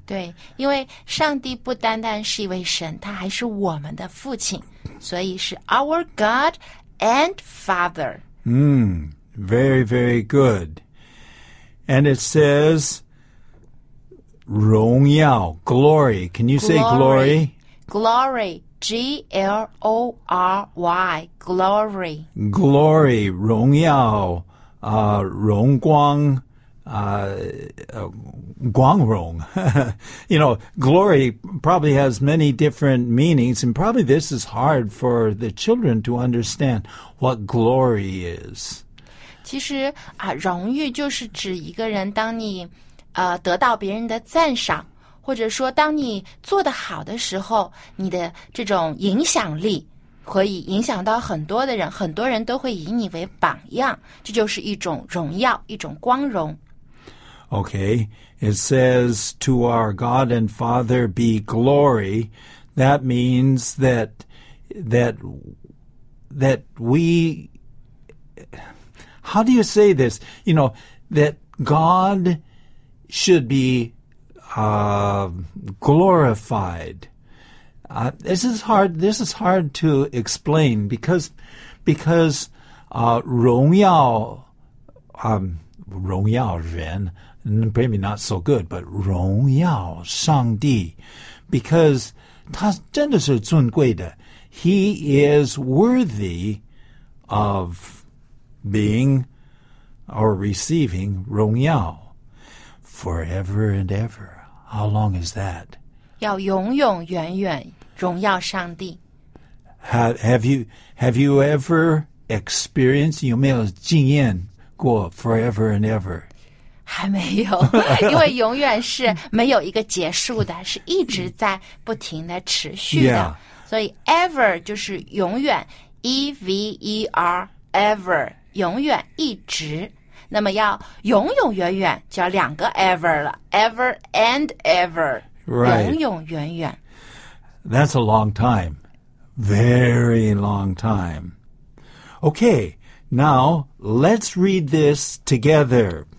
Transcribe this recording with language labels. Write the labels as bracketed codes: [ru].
[zh] 对，因为上帝不单单是一位神，他还是我们的父亲，所以是 [en] our God and Father. Very, very good. And it says 荣耀 glory. Can you say glory? Glory. G-L-O-R-Y, glory. [zh] Glory, 荣耀、荣光、光荣。 [en] You know, glory probably has many different meanings, and probably this is hard for the children to understand what glory is. [zh] 其实、荣誉就是指一个人当你、得到别人的赞赏。或者说当你做得好的时候，你的这种影响力可以影响到很多的人，很多人都会以你为榜样，这就是一种荣耀，一种光荣。 [en] Okay, it says to our God and Father be glory. That means that we, how do you say this? You know, that God should beglorified. This is hard to explain because [zh] 荣耀 荣耀人 [en] maybe not so good, but [zh] 荣耀上帝 [en] because [zh] 他真的是尊贵的 [en] he is worthy of being or receiving 荣耀 forever and everHow long is that? [zh] 要永永远远荣耀上帝。 [en] Have you ever experienced, [zh] 有没有经验过 [en] forever and ever? [zh] 还没有，因为永远是没有一个结束的，是一直在不停的持续的。 [en] Yeah. [zh] 所以 ever 就是永远，E-V-E-R, ever, 永远一直。那么要永永远远就要两个 ever 了 , [en] ever and ever,、 right. [zh] 永永远远。 [en] That's a long time, very long time. Okay, now let's read this together.